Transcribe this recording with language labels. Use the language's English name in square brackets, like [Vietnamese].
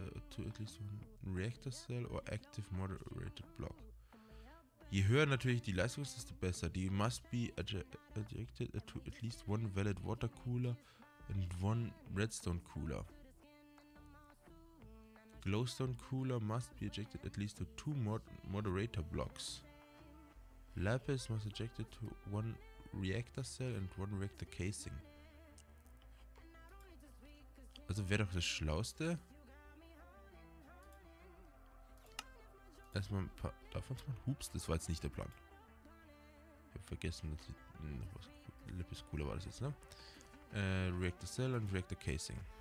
[English] To at least one reactor cell or active moderated block. [German] Je höher natürlich die Leistung ist, desto besser. [English] Die must be ejected to at least one valid water cooler and one redstone cooler. Glowstone cooler must be ejected at least to two moderator blocks. Lapis must be ejected to one reactor cell and one reactor casing. [German] Also wäre doch das Schlauste. Erstmal ein paar davon zu machen. Hups, das war jetzt nicht der Plan. Ich hab vergessen, dass noch was. Lippis cooler war das jetzt, ne? [English] Reactor Cell und Reactor Casing.